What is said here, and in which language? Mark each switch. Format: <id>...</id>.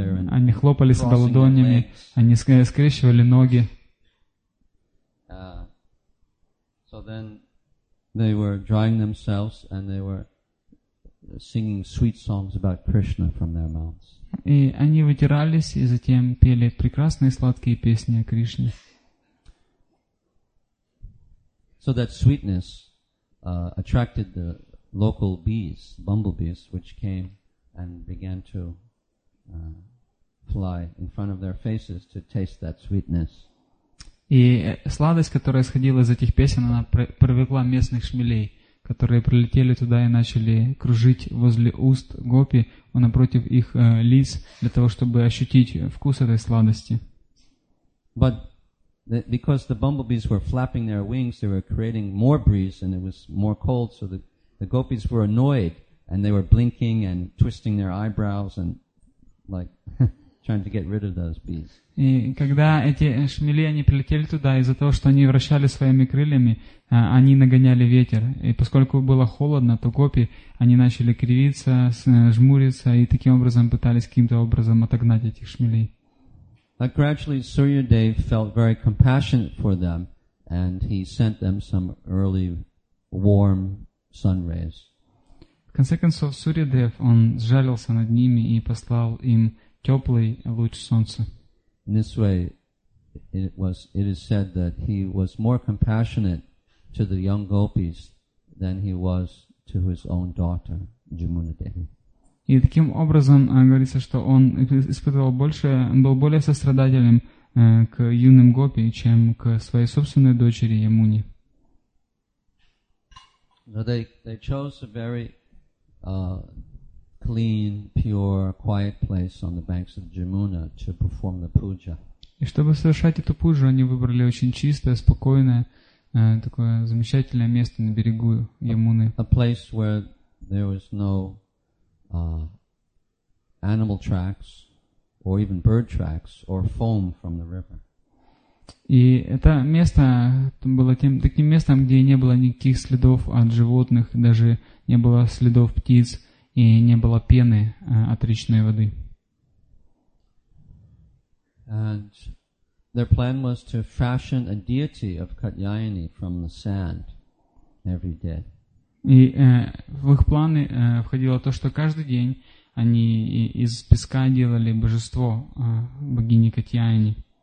<ru>Они хлопали себя ладонями, они скрещивали ноги.</ru> <en>So then They were drying themselves and they were singing sweet songs about Krishna from their mouths.</en> <ru>И они вытирались и затем пели прекрасные сладкие песни о Кришне.</ru> <en>So that sweetness attracted the local bees, bumblebees, which came and began to fly in front of their faces to taste that sweetness.</en> <ru>И сладость, которая исходила из этих песен, она привлекла местных шмелей, которые прилетели туда и начали кружить возле уст гопи, напротив их лиц, для того, чтобы ощутить вкус этой сладости.</ru> <en>But because the bumblebees were flapping their wings, they were creating more breeze, and it was more cold, so the gopis were annoyed, and they were blinking and twisting their eyebrows and like trying to get rid of those bees.</en> <ru>И когда эти шмели они прилетели туда из-за того, что они вращали своими крыльями, они нагоняли ветер. И поскольку было холодно, то гопи они начали кривиться, жмуриться и таким образом пытались каким-то образом отогнать этих шмелей.</ru> <en>But gradually Suryadev felt very compassionate for them, and he sent them some early warm sun rays.</en> <ru>В конце концов Сурьядев он сжалился над ними и послал им теплый луч солнца.</ru> <en>In this way, it is said that he was more compassionate to the young gopis than he was to his own daughter, Jamuna Devi.</en> <ru>И таким образом говорится, что он испытывал больше, был более сострадательным к юным гопи, чем к своей собственной дочери Ямуне.</ru> <en>So they chose a very clean, pure, quiet place on the banks of Jamuna to perform the puja.</en> <ru>И чтобы совершать эту пуджу, они выбрали очень чистое, спокойное, такое замечательное место на берегу Ямуны.</ru> <en>A place where there was no animal tracks, or even bird tracks, or foam from the river.</en> <ru>И это место было таким местом, где не было никаких следов от животных, даже не было следов птиц, и не было пены от речной воды.</ru> <en>And their plan was to fashion a deity of Katyayani from the sand every day.</en> <ru>И в их планы входило то, что каждый день они из песка делали божество богини Катьяйни.</ru>